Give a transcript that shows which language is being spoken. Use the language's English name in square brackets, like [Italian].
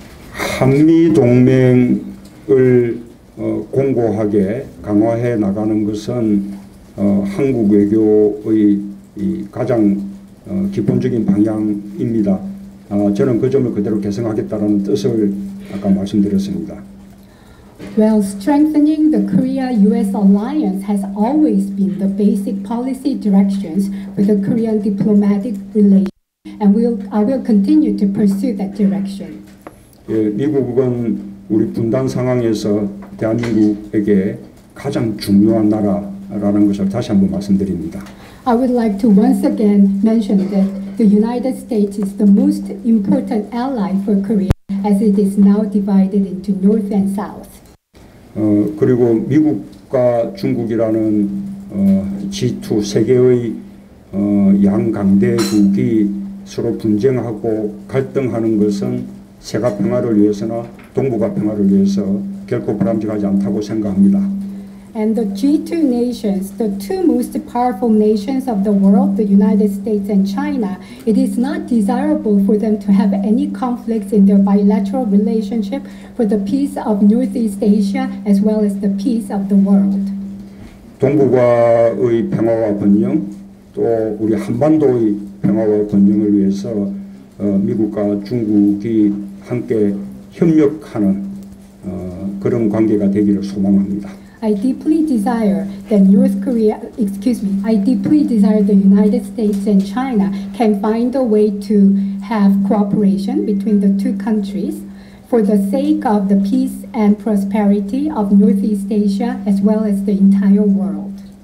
[Korean] 한미 동맹을 공고하게 강화해 나가는 것은 한국 외교의 가장 기본적인 방향입니다. 저는 그 점을 그대로 계승하겠다는 뜻을 아까 말씀드렸습니다. [English] Well, strengthening the Korea-U.S. alliance has always been the basic policy directions for the Korean diplomatic relations, and I will continue to pursue that direction. [Korean] 예, 미국은 우리 분단 상황에서 대한민국에게 가장 중요한 나라라는 것을 다시 한번 말씀드립니다. [English] I would like to once again mention that the United States is the most important ally for Korea, as it is now divided into North and South. [Korean] 그리고 미국과 중국이라는 G2 세계의 양강대국이 서로 분쟁하고 갈등하는 것은 세계 평화를 위해서나 동북아 평화를 위해서 결코 바람직하지 않다고 생각합니다. [English] And the G2 nations, the two most powerful nations of the world, the United States and China, it is not desirable for them to have any conflicts in their bilateral relationship for the peace of Northeast Asia as well as the peace of the world. [Korean] 동북아의 평화와 번영, 또 우리 한반도의 평화와 번영을 위해서 미국과 중국이 함께 협력하는 그런 관계가 되기를 소망합니다. [English] I deeply desire that North Korea, excuse me, I deeply desire the United States and China can find a way to have cooperation between the two countries for the sake of the peace and prosperity of Northeast Asia as well as the entire world.